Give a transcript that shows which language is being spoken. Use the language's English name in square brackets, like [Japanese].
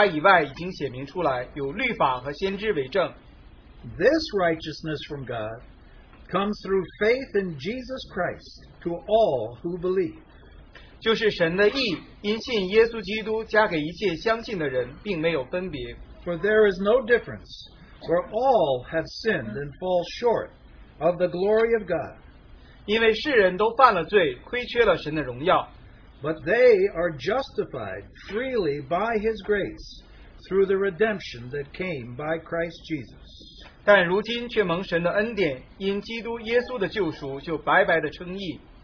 [Chinese] 但如今神的义在律法以外已经显明出来, 有律法和先知为证。 [English] This righteousness from God comes through faith in Jesus Christ to all who believe. [Chinese] 就是神的义因信耶稣基督加给一切相信的人并没有分别。 [English] For there is no difference, for all have sinned and fall short of the glory of God. [Chinese] 因为世人都犯了罪,亏缺了神的荣耀。 [English] But they are justified freely by His grace through the redemption that came by Christ Jesus. [Chinese] 但如今却蒙神的恩典,因基督耶稣的救赎就白白的称义。